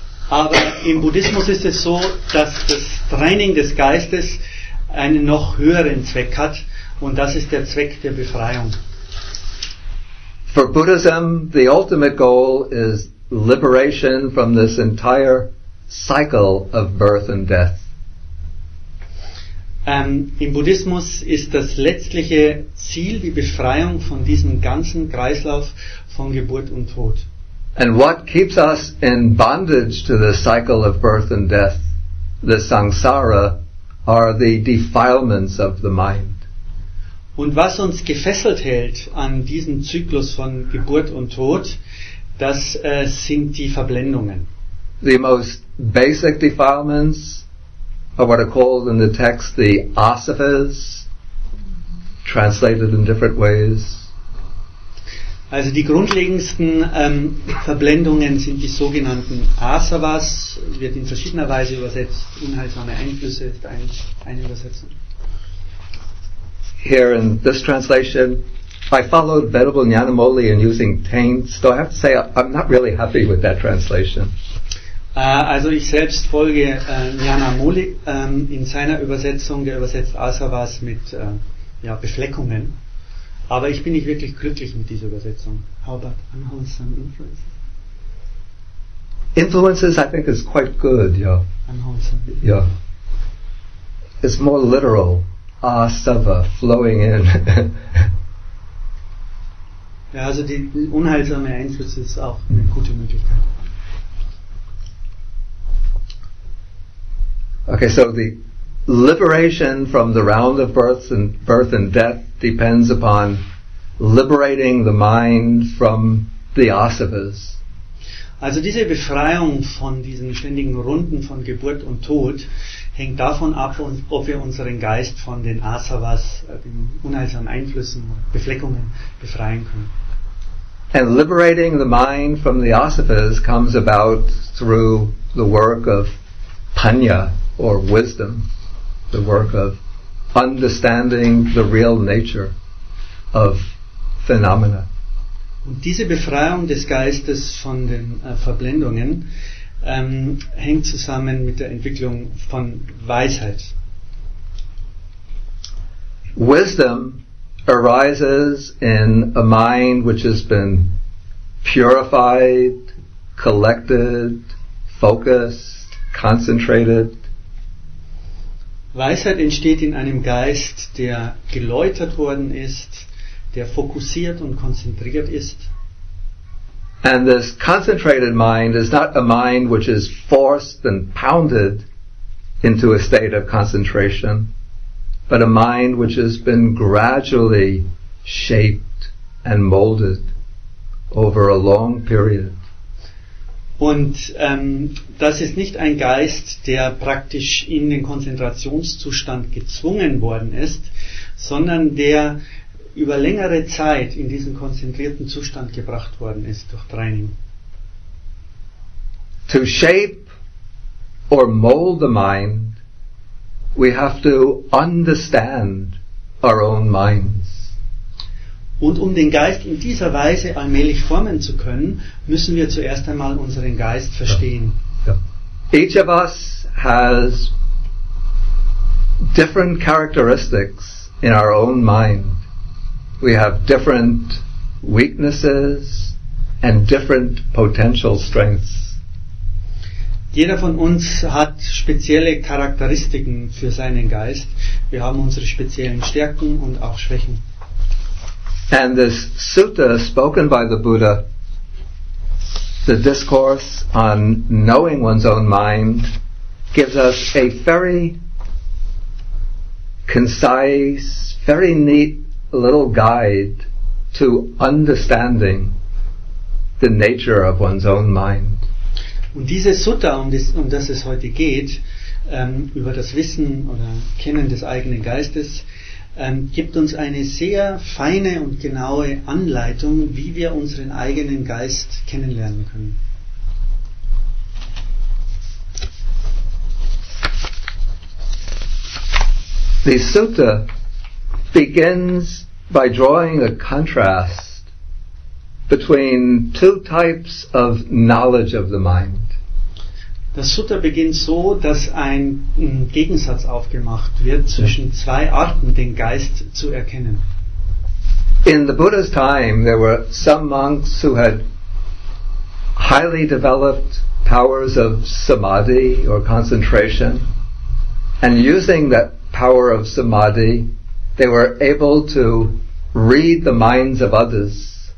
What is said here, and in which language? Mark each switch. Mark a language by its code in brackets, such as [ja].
[de] Aber im Buddhismus ist es so, dass das Training des Geistes einen noch höheren Zweck hat, und das ist der Zweck der Befreiung. [en] For Buddhism, the ultimate goal is liberation from this entire cycle of birth and death. [de] Im Buddhismus ist das letztliche Ziel die Befreiung von diesem ganzen Kreislauf von Geburt und Tod. [en] And what keeps us in bondage to the cycle of birth and death, the samsara, are the defilements of the mind. [de] Und was uns gefesselt hält an diesem Zyklus von Geburt und Tod, das sind die Verblendungen. [en] The most basic defilements are what are called in the text the asavas, translated in different ways. [de] Also die grundlegendsten Verblendungen sind die sogenannten asavas, wird in verschiedener Weise übersetzt, unheilsame Einflüsse ist eine Übersetzung. [en] Here in this translation, I followed Venerable Nyanamoli in using taints, though I have to say I'm not really happy with that translation. [de] Also ich selbst folge Jana Muli in seiner Übersetzung, der übersetzt Asavas mit Befleckungen. Aber ich bin nicht wirklich glücklich mit dieser Übersetzung. [en] How about unwholesome influences? Influences, I think, is quite good, yeah. Unwholesome. Yeah. It's more literal. Asava, flowing in. [de] Ja, also die unheilsame Einfluss ist auch eine gute Möglichkeit. [en] Okay, so the liberation from the round of birth and death depends upon liberating the mind from the asavas. [de] Also diese Befreiung von diesen ständigen Runden von Geburt und Tod hängt davon ab, ob wir unseren Geist von den asavas, den unheilsamen Einflüssen, Befleckungen befreien können. [en] And liberating the mind from the asavas comes about through the work of panya, or wisdom, the work of understanding the real nature of phenomena. [de] Und diese Befreiung des Geistes von den Verblendungen hängt zusammen mit der Entwicklung von Weisheit. [en] Wisdom arises in a mind which has been purified, collected, focused, concentrated. [de] Weisheit entsteht in einem Geist, der geläutert worden ist, der fokussiert und konzentriert ist. [en] And this concentrated mind is not a mind which is forced and pounded into a state of concentration, but a mind which has been gradually shaped and molded over a long period. [de] Und das ist nicht ein Geist, der praktisch in den Konzentrationszustand gezwungen worden ist, sondern der über längere Zeit in diesen konzentrierten Zustand gebracht worden ist durch Training. [en] To shape or mold the mind, we have to understand our own minds. [de] Und um den Geist in dieser Weise allmählich formen zu können, müssen wir zuerst einmal unseren Geist verstehen. [en] Yeah. Each of us has different characteristics in our own mind. We have different weaknesses and different potential strengths. [de] Jeder von uns hat spezielle Charakteristiken für seinen Geist. Wir haben unsere speziellen Stärken und auch Schwächen. [en] And this sutta spoken by the Buddha, the discourse on knowing one's own mind, gives us a very concise, very neat little guide to understanding the nature of one's own mind. [de] Und diese Sutta, um das es heute geht, über das Wissen oder Kennen des eigenen Geistes, gibt uns eine sehr feine und genaue Anleitung, wie wir unseren eigenen Geist kennenlernen können. [en] The Sutta begins by drawing a contrast between two types of knowledge of the mind. [de] Das Sutta beginnt so, dass ein Gegensatz aufgemacht wird zwischen zwei Arten, den Geist zu erkennen. [en] In the Buddha's time, there were some monks who had highly developed powers of samadhi or concentration, and using that power of samadhi, they were able to read the minds of others.